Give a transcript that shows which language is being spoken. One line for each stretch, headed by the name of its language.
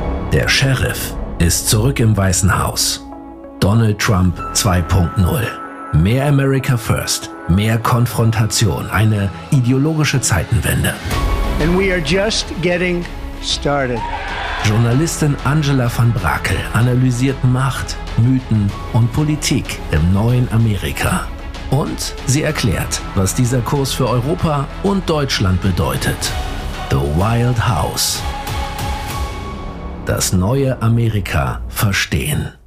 German: Der Sheriff ist zurück im Weißen Haus. Donald Trump 2.0. Mehr America First, mehr Konfrontation, eine ideologische Zeitenwende.
English: And we are just getting started.
German: Journalistin Angela van Brakel analysiert Macht, Mythen und Politik im neuen Amerika. Und sie erklärt, was dieser Kurs für Europa und Deutschland bedeutet. The Wild House. Das neue Amerika verstehen.